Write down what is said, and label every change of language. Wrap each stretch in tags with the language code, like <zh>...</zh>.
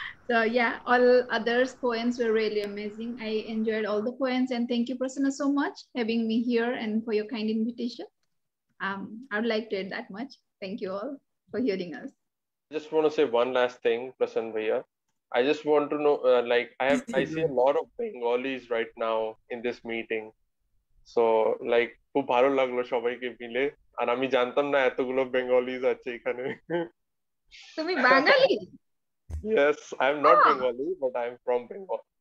<en>So yeah, all others' poems were really amazing. I enjoyed all the poems, and thank you, Prasanna, so much having me here and for your kind invitation. I would like to add that much. Thank you all for hearing us. I just want to say one last thing, Prasanna Bhaiya. I just want to know, I see a lot of Bengalis right now in this meeting. So like,</en> <bn>খুব ভালো লাগলো সবাইকে মিলে আর আমি জানতাম না এতগুলো Bengalis আছে এখানে তুমি বাঙালি</bn> <en>yes I am not bengali but I am from bengal</en>